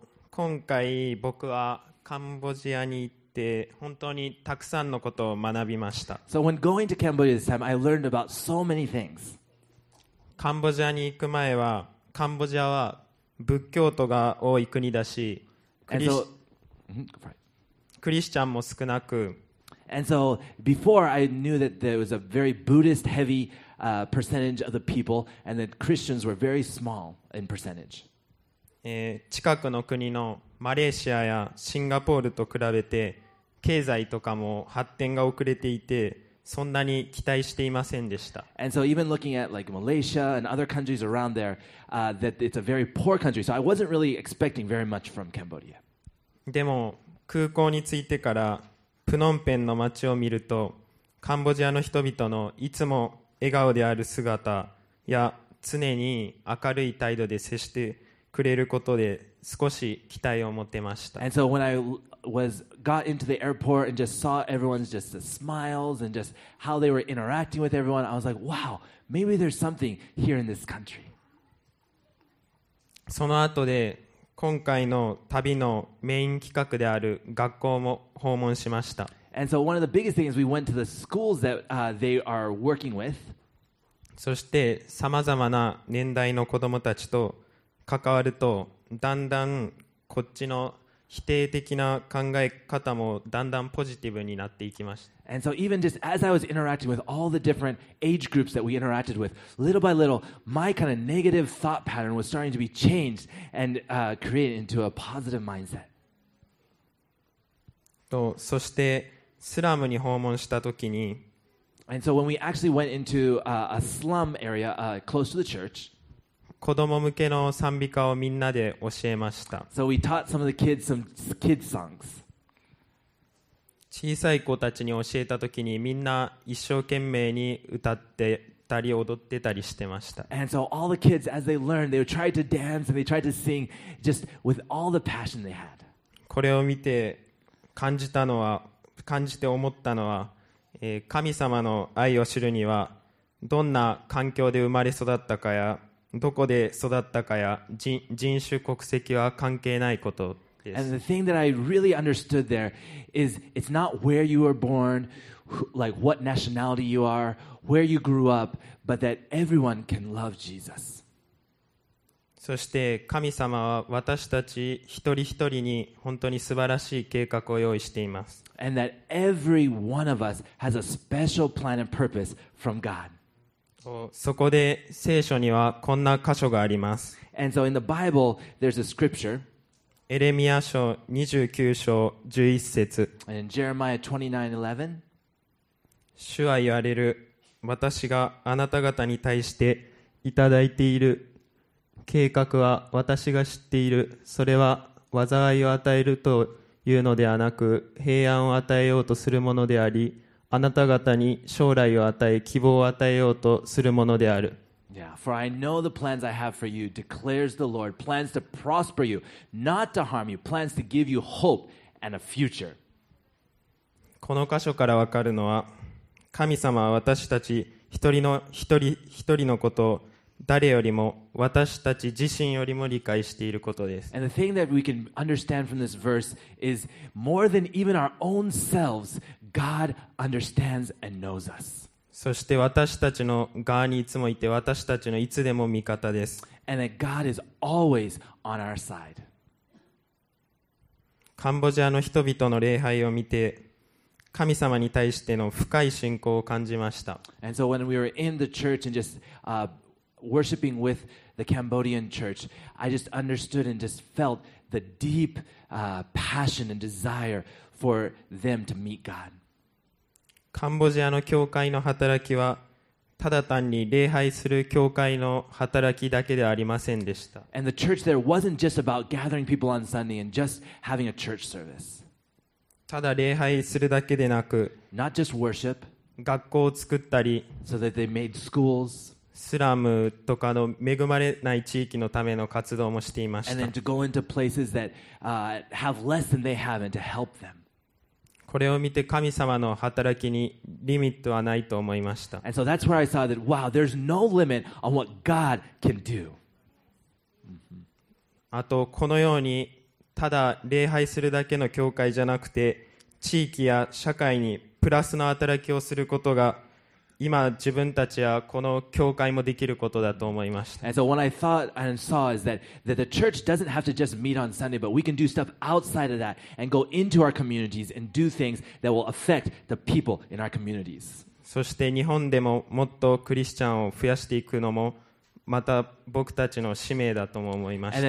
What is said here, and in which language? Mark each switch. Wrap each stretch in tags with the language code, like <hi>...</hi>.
<ja>今回僕はカンボジアに行って本当にたくさんのことを学びました。</ja> <en>So when going to Cambodia this time, I learned about so many things.</en> <ja>カンボジアに行く前はカンボジアは仏教徒が多い国だし、クリスチャンも少なく、</ja> <en>And so before I knew that there was a very Buddhist heavy percentage of the people and that Christians were very small in percentage.</en> <ja>近くの国のマレーシアやシンガポールと比べて経済とかも発展が遅れていてそんなに期待していませんでした。</ja> <en>And so even looking at like Malaysia and other countries around there, that it's a very poor country. So I wasn't really expecting very much from Cambodia.</en> <ja>でも空港に着いてからプノンペンの街を見るとカンボジアの人々のいつも笑顔である姿や常に明るい態度で接してくれることで少し期待を持てました。</ja> <en>And so when I got into the airport and just saw everyone's just the smiles and just how they were interacting with everyone, I was like, wow, maybe there's something here in this country.</en> <ja>その後で今回の旅のメイン企画である学校も訪問しました。</ja> <en>And so one of the biggest things, we went to the schools that they are working with.</en> <ja>そしてさまざまな年代の子どもたちと関わるとだんだんこっちの否定的な考え方もだんだんポジティブになっていきました。</ja> <en>And so even just as I was interacting with all the different age groups that we interacted with, little by little, my kind of negative thought pattern was starting to be changed and created into a positive mindset.</en> <ja>と、そしてスラムに訪問したときに、</ja> <en>And so when we actually went into a slum area close to the church,</en> <ja>子供向けの賛美歌をみんなで教えました。</ja> <en>So we taught some of the kids some kids songs.</en> <ja>小さい子たちに教えたときにみんな一生懸命に歌ってたり踊ってたりしてました。</ja> <en>And so all the kids, as they learned, they would try to dance and they tried to sing just with all the passion they had.</en> <ja>これを見て感じて思ったのは、神様の愛を知るにはどんな環境で生まれ育ったかやどこで育ったかや人種国籍は関係ないこと。</ja> <en>And the thing that I really understood there is it's not where you were born, like what nationality you are, where you grew up, but that everyone can love Jesus.</en> <ja>そして神様は私たち一人一人に本当に素晴らしい計画を用意しています。</ja> <en>And that every one of us has a special plan and purpose from God.</en> <ja>そこで聖書にはこんな箇所があります。</ja> <en>And so in the Bible, there's a scripture.</en> <ja>エレミア書29章11節</ja> <en>And Jeremiah 29:11</en> <ja>主は言われる私があなた方に対していただいている計画は私が知っているそれは災いを与えるというのではなく平安を与えようとするものでありあなた方に将来を与え希望を与えようとするものである</ja> <en>Yeah, for I know the plans I have for you, declares the Lord, plans to prosper you, not to harm you, plans to give you hope and a future.</en> <ja>この箇所からわかるのは、神様は私たち一人のことを誰よりも私たち自身よりも理解していることです。</ja> <en>And the thing that we can understand from this verse is more than even our own selves, God understands and knows us.</en> <ja>そして私たちの側にいつもいて私たちのいつでも味方です。</ja> <en>And that God is always on our side.</en> <ja>カンボジアの人々の礼拝を見て神様に対しての深い信仰を感じました。</ja> <en>And so when we were in the church and just worshiping with the Cambodian church, I just understood and just felt the deep passion and desire for them to meet God.</en> <ja>カンボジアの教会の働きはただ単に礼拝する教会の働きだけではありませんでした。</ja> <en>And the church there wasn't just about gathering people on Sunday and just having a church service.</en> <ja>ただ礼拝するだけでなく、</ja> <en>Not just worship,</en> <ja>学校を作ったり、</ja> <en>so that they made schools,</en> <ja>スラムとかの恵まれない地域のための活動もしていました。</ja> <en>And then to go into places that have less than they have and to help them.</en> <ja>これを見て神様の働きにリミットはないと思いました。</ja> <en>And so that's where I saw that, wow, there's no limit on what God can do.</en> <ja>あとこのようにただ礼拝するだけの教会じゃなくて地域や社会にプラスの働きをすることが今自分たちはこの教会もできることだと思いました。</ja> <en>And so what I thought and saw is that the church doesn't have to just meet on Sunday, but we can do stuff outside of that and go into our communities and do things that will affect the people in our communities.</en> <ja>そして日本でももっとクリスチャンを増やしていくのもまた僕たちの使命だとも思いました。</ja>